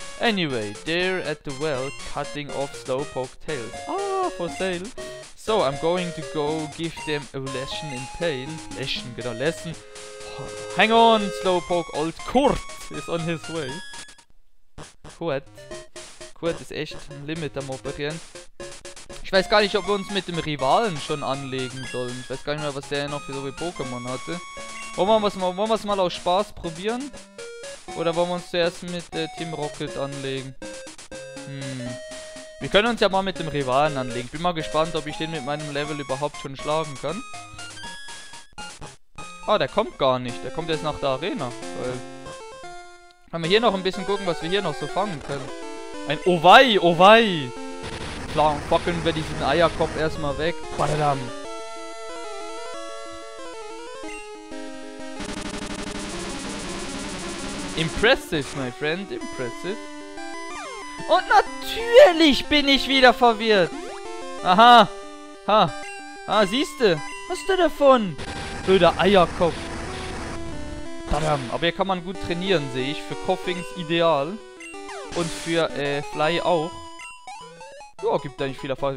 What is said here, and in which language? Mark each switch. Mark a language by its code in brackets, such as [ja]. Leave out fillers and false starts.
[en] Anyway, they're at the well cutting off Slowpoke tails. For sale. So, I'm going to go give them a lesson in pain. Lesson, genau, lesson. Hang on, Slowpoke, old Kurt is on his way. Kurt. [de] Kurt ist echt ein Limit am Operieren. Ich weiß gar nicht, ob wir uns mit dem Rivalen schon anlegen sollen. Ich weiß gar nicht mehr, was der noch für so viel Pokémon hatte. Wollen wir es mal aus Spaß probieren? Oder wollen wir uns zuerst mit Team Rocket anlegen? Wir können uns ja mal mit dem Rivalen anlegen. Bin mal gespannt, ob ich den mit meinem Level überhaupt schon schlagen kann. Ah, der kommt gar nicht. Der kommt jetzt nach der Arena. Weil... Können wir hier noch ein bisschen gucken, was wir hier noch so fangen können. Ein Owei, Owei! Klar, fackeln wir diesen Eierkopf erstmal weg. Badadam. [en] Impressive, my friend, impressive. [de] Und natürlich bin ich wieder verwirrt. Aha. Ha. Ah, siehst du? Was hast du davon? Blöder Eierkopf. Badam. Aber hier kann man gut trainieren, sehe ich. Für Koffings ideal. Und für Fly auch. Ja, gibt da nicht viel Erfahrung.